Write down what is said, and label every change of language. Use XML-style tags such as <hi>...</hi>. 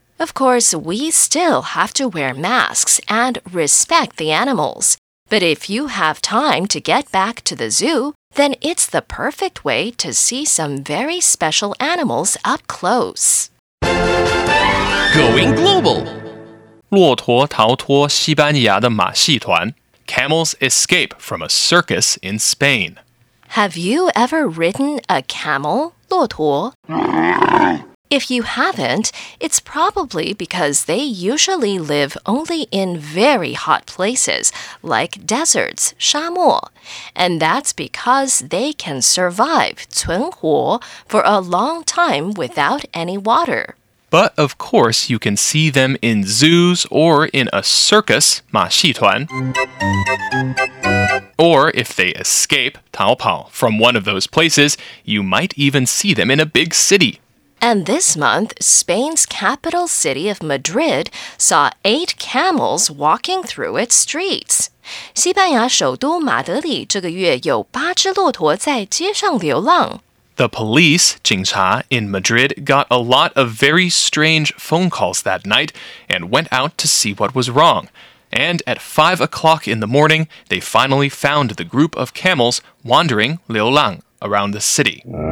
<en>Of course, we still have to wear masks and respect the animals. But if you have time to get back to the zoo, then it's the perfect way to see some very special animals up close. Going global!</en> <zh>骆驼逃脱西班牙的马戏团</zh> <en>Camels escape from a circus in Spain. Have you ever ridden a camel, 骆驼? If you haven't, it's probably because they usually live only in very hot places, like deserts, 沙漠. And that's because they can survive, 存活, for a long time without any water. But of course, you can see them in zoos or in a circus, 马戏团. Or if they escape, 逃跑, from one of those places, you might even see them in a big city. And this month, Spain's capital city of Madrid saw 8 camels walking through its streets.</en> <zh>西班牙首都马德里这个月有八只骆驼在街上流浪。</zh> <en>The police, 警察, in Madrid got a lot of very strange phone calls that night and went out to see what was wrong. And at 5 o'clock in the morning, they finally found the group of camels wandering, 流浪, around the city.</en>